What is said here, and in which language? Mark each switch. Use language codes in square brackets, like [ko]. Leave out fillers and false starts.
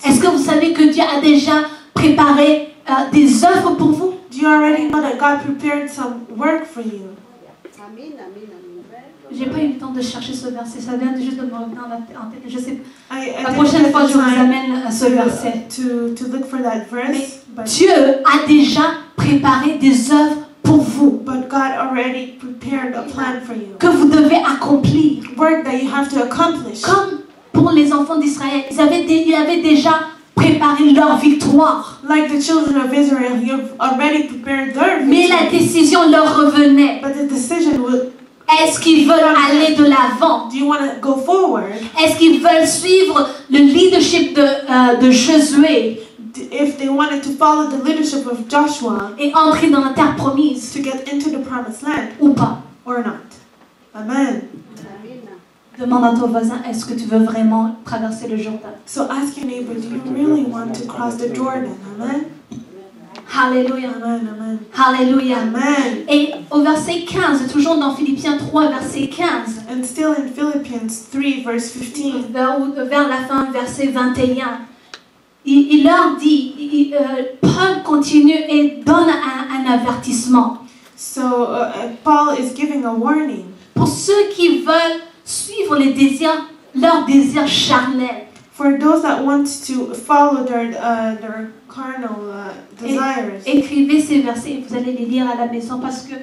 [fr] Est-ce que vous savez que Dieu a déjà préparé des œuvres pour vous? [en] Do you already know that God prepared some work for you? Amen, amen. [fr] J'ai pas eu le temps de chercher ce verset, ça vient juste de me revenir en tête. Je sais, la prochaine fois je vous amène à ce verset. [en] To look for that verse, [fr] mais Dieu a déjà préparé des œuvres pour vous. [en] But God already prepared a plan for you. [fr] Que vous devez accomplir. [en] Work that you have to accomplish. [fr] Comme pour les enfants d'Israël, ils avaient déjà préparé leur victoire. [en] Like the children of Israel, you have already prepared their victory. [fr] Mais la décision leur revenait. [en] But the decision would. [fr] Est-ce qu'ils veulent aller de l'avant? [en] Do you want to go forward? [fr] Est-ce qu'ils veulent suivre le leadership de Josué? [en] If they wanted to follow the leadership of Joshua. [fr] Et entrer dans la terre promise. [en] To get into the promised land. [fr] Ou pas. [en] Or not. Amen. [fr] Demande à ton voisin, est-ce que tu veux vraiment traverser le Jourdain? [en] So ask your neighbor, do you really want to cross the Jordan? Amen. Hallelujah. Amen, amen. Hallelujah. Amen. [fr] Et au verset 15, toujours dans Philippiens 3, verset 15. [en] And still in Philippians 3, verse 15. [fr] Vers la fin, verset 21. Il leur dit, Paul continue et donne un avertissement. [en] So, Paul is giving a warning. [fr] Pour ceux qui veulent suivre les désirs, leurs désirs charnels. [en] For those that want to follow their carnal desires. [fr] Écrivez ces versets et vous allez les lire à la maison parce que